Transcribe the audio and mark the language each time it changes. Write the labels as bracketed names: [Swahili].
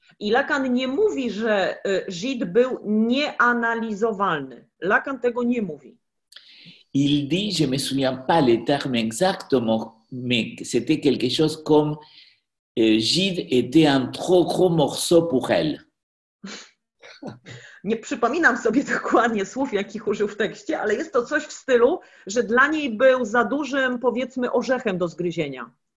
[Polish] I Lacan nie mówi, że Gide był nieanalizowalny. Lacan tego nie mówi. [French] Il dit, je ne me souviens pas les termes exactement, mais c'était quelque chose comme Gide était un trop gros morceau pour elle. [Polish] Nie przypominam sobie dokładnie słów, jakich użył w tekście, ale jest to coś w stylu, że dla niej był za dużym, powiedzmy, orzechem do zgryzienia.